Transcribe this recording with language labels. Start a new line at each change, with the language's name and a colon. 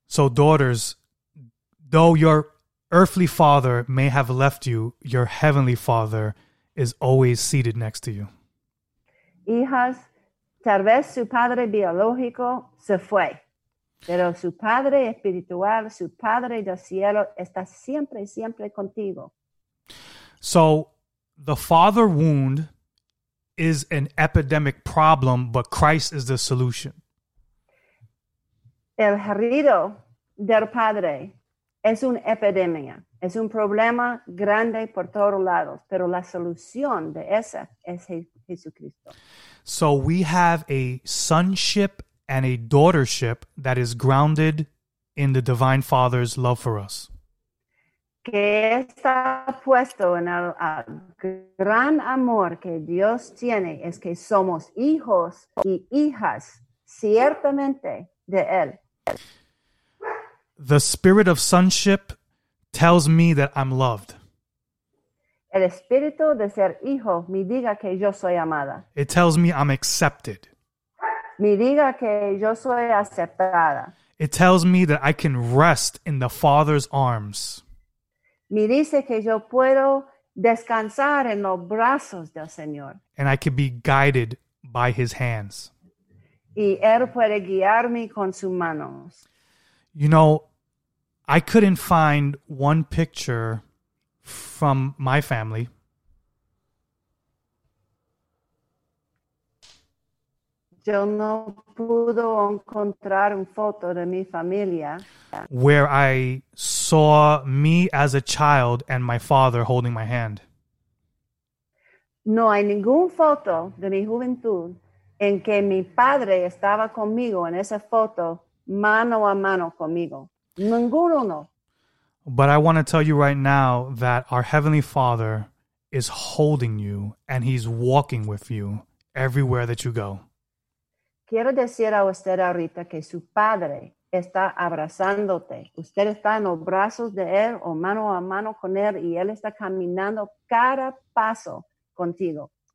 English: So daughters, though your earthly father may have left you, your heavenly father is always seated next to you.
Spanish: Hijas, tal vez su padre biológico se fue, pero su padre espiritual, su padre del cielo está siempre, siempre contigo.
English: So the father wound is an epidemic problem, but Christ is the solution.
Spanish: El herido del padre es una epidemia. Es un problema grande por todos lados, pero la solución de esa es Jesucristo.
English: So we have a sonship and a daughtership that is grounded in the Divine Father's love for us.
Spanish: Que está puesto en el gran amor que Dios tiene es que somos hijos y hijas ciertamente de Él.
English: The spirit of sonship tells me that I'm loved.
Spanish: El espíritu de ser hijo me diga que yo soy amada.
English: It tells me I'm accepted.
Spanish: Me diga que yo soy aceptada.
English: It tells me that I can rest in the Father's arms.
Spanish: Me dice que yo puedo descansar en los brazos del Señor.
English: And I can be guided by his hands.
Spanish: Y él puede guiarme con sus manos.
English: You know, I couldn't find one picture from my family.
Spanish: Yo no pudo encontrar una foto de mi familia.
English: Where I saw me as a child and my father holding my hand.
Spanish: No hay ningún foto de mi juventud en que mi padre estaba conmigo en esa foto, mano a mano conmigo. Ninguno.
English: But I want to tell you right now that our Heavenly Father is holding you and he's walking with you everywhere that you go.
Spanish: Quiero decir a usted ahorita que su padre está abrazándote. Usted está en los brazos de él o mano a mano con él y él está caminando cada paso contigo.